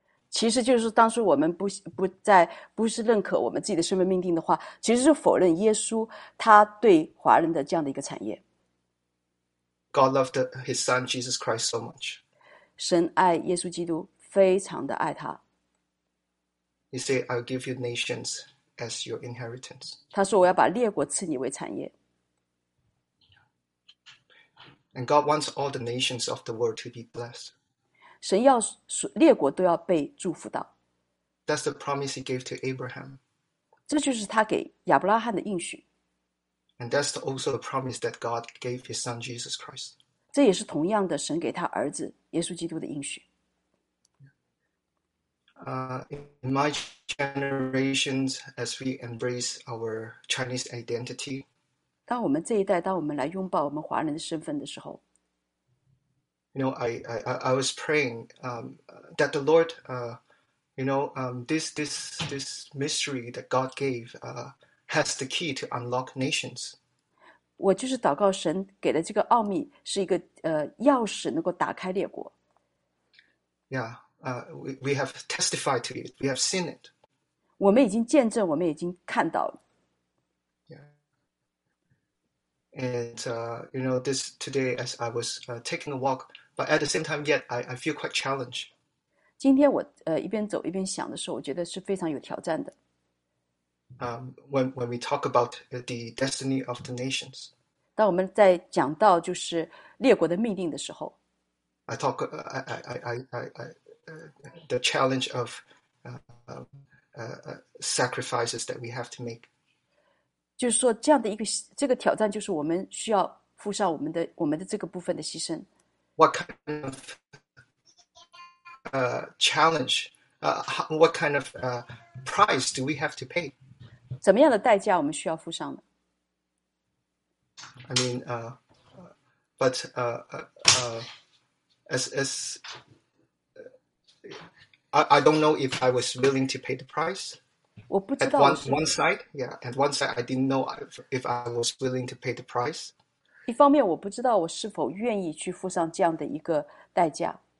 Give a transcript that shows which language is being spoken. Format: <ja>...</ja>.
<zh>其实就是当时我们不认可我们自己的生命命定的话，其实是否认耶稣他对华人的这样的一个产业。</zh> <en>God loved his son Jesus Christ so much.</en> <zh>神爱耶稣基督，非常的爱他。</zh> <en>He said, I'll give you nations as your inheritance.</en> <zh>他说我要把列国赐你为产业。</zh> <en>And God wants all the nations of the world to be blessed.</en> <zh>神要列国都要被祝福到。</zh> <en>That's the promise he gave to Abraham.</en> <zh>这就是他给亚伯拉罕的应许。</zh> <en>And that's also a promise that God gave his son Jesus Christ.</en> <zh>这也是同样的神给他儿子耶稣基督的应许。</zh> <en>In my generations, as we embrace our Chinese identity,</en> <zh>当我们这一代，当我们来拥抱我们华人的身份的时候，</zh> <en>you know, I was praying that the Lord, this mystery that God gave has the key to unlock nations.</en> <zh>我就是祷告神给的这个奥秘是一个钥匙，能够打开列国。</zh> <en>Yeah. We have testified to it. We have seen it.</en> <zh>我们已经见证，我们已经看到了。</zh> <en>Yeah. And this today, as I was taking a walk, but at the same time, yet I feel quite challenged.</en> <zh>今天我一边走一边想的时候，我觉得是非常有挑战的。</zh> <en>When we talk about the destiny of the nations,</en> <zh>当我们在讲到就是列国的命定的时候</zh> <en>the challenge of sacrifices that we have to make.</en> <zh>就是说这样的一个这个挑战就是我们需要付上我们的这个部分的牺牲。</zh> <en>What kind of challenge, what kind of price do we have to pay?</en> <zh>怎么样的代价我们需要付上呢？</zh> <en>I mean, as I don't know if I was willing to pay the price.</en> <zh>我不知道。</zh> <en>At one side, yeah. At one side, I didn't know if I was willing to pay the price.</en> <zh>一方面，我不知道我是否愿意去付上这样的一个代价。</zh>